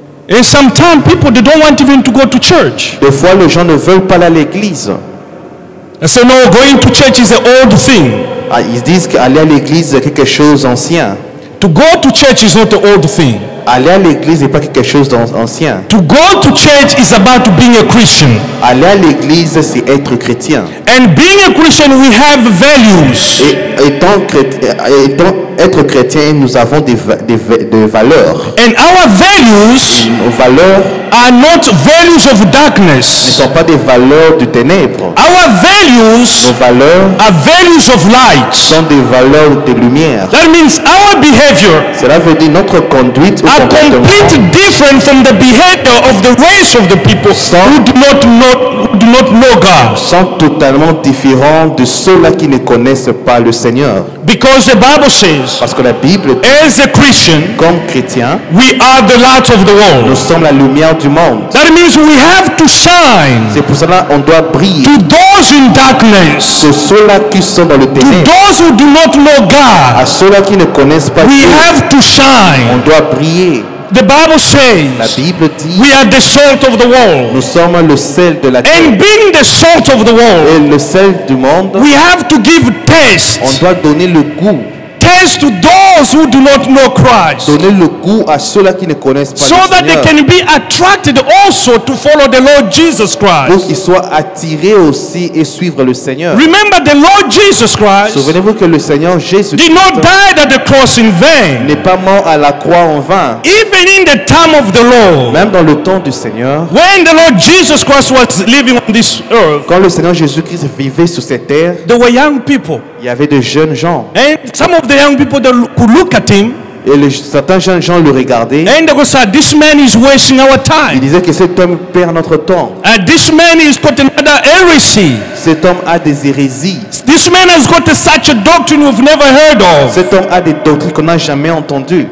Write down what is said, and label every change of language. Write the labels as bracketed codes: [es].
[en] And sometimes people they don't want even to go to church. [fr] Des fois les gens ne veulent pas aller à l'église. [en] I say no, going to church is an old thing. [fr] Ils disent qu'aller à l'église est quelque chose d'ancien. [en] To go to church is not an old thing. [fr] Aller à l'église n'est pas quelque chose d'ancien. [en] To go to church is about being a Christian. [fr] Aller à l'église c'est être chrétien. [en] And being a Christian, we have values. [fr] Et être chrétien, nous avons des valeurs. [en] And our values. [fr] Nos valeurs. [en] Are not values of darkness. [fr] Ne sont pas des valeurs de ténèbres. [en] Our values. [fr] Nos valeurs. [en] Are values of light. [fr] Sont des valeurs de lumière. [en] That means our behavior. [fr] Cela veut dire notre conduite. [en] Are completely different from the behavior of the race of the people who do not know God. [fr] Sont totalement différents de ceux-là qui ne connaissent pas le Seigneur. [en] Because the Bible says. [fr] Parce que la Bible. [en] As a Christian. [fr] Comme chrétien. [en] We are the light of the world. [fr] Nous sommes la lumière. [en] That means we have to shine. [fr] C'est pour cela on doit briller. [en] To those in darkness. [fr] C'est ceux-là qui sont dans le ténèbres. [en] To those who do not know God. [fr] À ceux-là qui ne connaissent pas [en] we [fr] Dieu. [en] We have to shine. [fr] On doit briller. [en] The Bible says. [fr] La Bible dit. [en] We are the salt of the world. [fr] Nous sommes le sel de la terre. [en] And being the salt of the world. [fr] Et le sel du monde. [en] We have to give taste. [fr] On doit donner le goût. [en] Taste to those who do not know Christ. [fr] Donner le goût à ceux-là qui ne connaissent pas [en] so [fr] le [en] that [fr] Seigneur. [en] They can be attracted also to follow the Lord Jesus Christ. [fr] Pour qu'ils soient attirés aussi et suivre le Seigneur. [en] Remember the Lord Jesus Christ. [fr] Souvenez-vous que le Seigneur Jésus [en] did not die at the cross in vain. [fr] N'est pas mort à la croix en vain. [en] Even in the time of the Lord. [fr] Même dans le temps du Seigneur. [en] When the Lord Jesus Christ was living on this earth. [fr] Quand le Seigneur Jésus-Christ vivait sur cette terre. [en] There were young people. [fr] Il y avait de jeunes gens. [en] And some of the young people could look at him. [fr] Et certains jeunes gens le regardaient. [en] And they said, "This man is wasting our time." [fr] Ils disaient que cet homme perd notre temps. [en] This man has got another heresy. [fr] Cet homme a des hérésies. [en] This man has got such a doctrine we've never heard of. [fr] Cet homme a des doctrines qu'on n'a jamais entendues.